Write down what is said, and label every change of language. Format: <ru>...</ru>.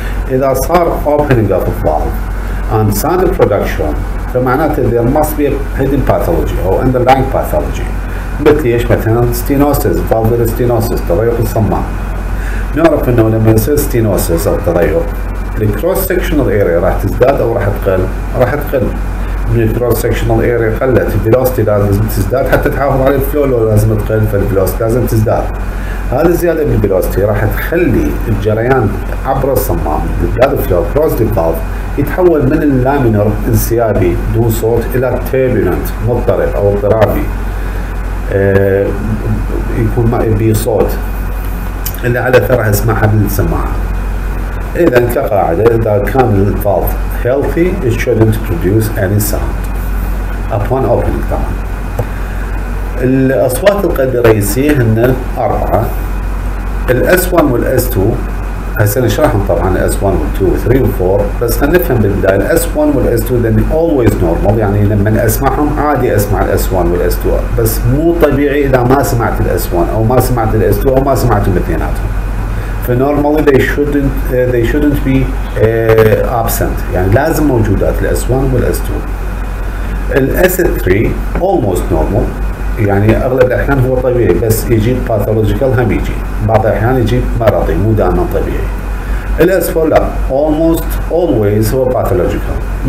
<ar>اذا صار</ar> <en>opening of the valve and sound production</en> <ar>فمعناته</ar> <en>there must be a hidden pathology or underlying pathology.</en> <ar>مثل ايش؟ مثلا stenosis، valvular stenosis، تضيق الصمام. نعرف انه لما يصير stenosis او تضيق</ar> <en>the cross sectional area</en> <ar>راح تزداد او راح تقل، راح تقل. من الكروس سكشنال اريا قلت الفيلوستي لازم تزداد حتى تحافظ على الفلو، لو لازم تقل فالفيلوستي لازم تزداد. هذه الزياده بالفيلوستي راح تخلي الجريان عبر الصمام بالداد فلو كروس ذا فالف يتحول من اللامينر انسيابي دون صوت الى تيربولنت مضطرب او اضطرابي يكون ما بي صوت اللي على اثرها اسمعها بالسماعه. اذا كقاعده اذا كان الفالف</ar> <en>healthy it shouldn't produce any sound upon opening down.</en> <ar>الاصوات القلب الرئيسيه هن اربعه الاس 1 والاس 2، هسه نشرحهم طبعا الاس 1 وال 2 3 و 4 بس خلينا نفهم بالبدايه الاس 1 والاس 2</ar> <en>then always normal،</en> <ar>يعني لما اسمعهم عادي اسمع الاس 1 والاس 2 بس مو طبيعي اذا ما سمعت الاس 1 او ما سمعت الاس 2 او ما سمعتهم اثنيناتهم.</ar> <en>normally they shouldn't be absent.</en> <ar>يعني لازم موجود at S1 وال S2.</ar> <en>S3 almost normal.</en> <ar>يعني أغلب الأحيان هو طبيعي بس يجي pathological هم يجي. بعض الأحيان يجي مرضي مو دائما طبيعي. ال S4 لا.</ar> <en>almost always</en> <ar>هو pathological.</ar>